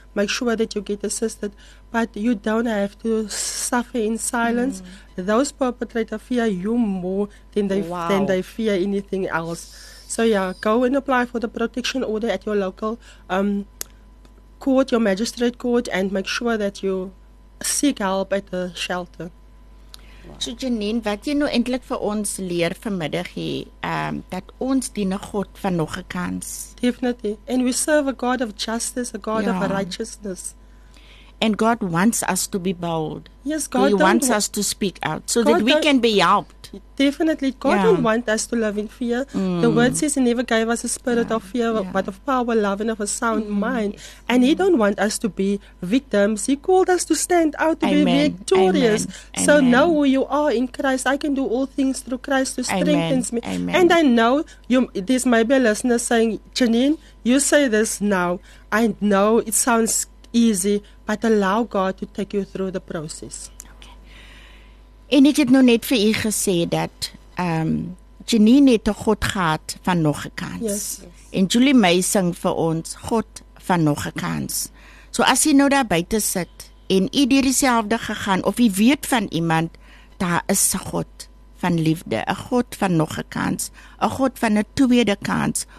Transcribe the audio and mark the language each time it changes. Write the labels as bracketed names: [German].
[English] Make sure that you get assisted. But you don't have to suffer in silence. Those perpetrators fear you more than they fear anything else. So yeah, go and apply for the protection order at your local court, your magistrate court, and make sure that you seek help at the shelter. [Afrikaans] So Janine, wat jy nou eintlik vir ons leer vanmiddag hier, dat ons dien 'n God van nog 'n kans. [English] Definitely. And we serve a God of justice, a God of righteousness. And God wants us to be bold. Yes, God. He wants us to speak out so that we can be helped. Definitely. God don't want us to live in fear. The word says He never gave us a spirit of fear, but of power, love, and of a sound mind. And He don't want us to be victims. He called us to stand out, to be victorious. Amen. So know who you are in Christ. I can do all things through Christ who strengthens me. Amen. And I know you. This might be a listener saying, Janine, you say this now. I know it sounds easy, but allow God to take you through the process. Okay. [Afrikaans] En ek het nou net vir u gesê dat Janine het 'n God gehad van nog 'n kans. [English] Yes. [Afrikaans] En Julie May sing vir ons God van nog 'n kans. So as jy nou daar buite sit en jy deur dieselfde gegaan of jy weet van iemand, daar is 'n God van liefde, 'n God van nog 'n kans, 'n God van 'n tweede kans.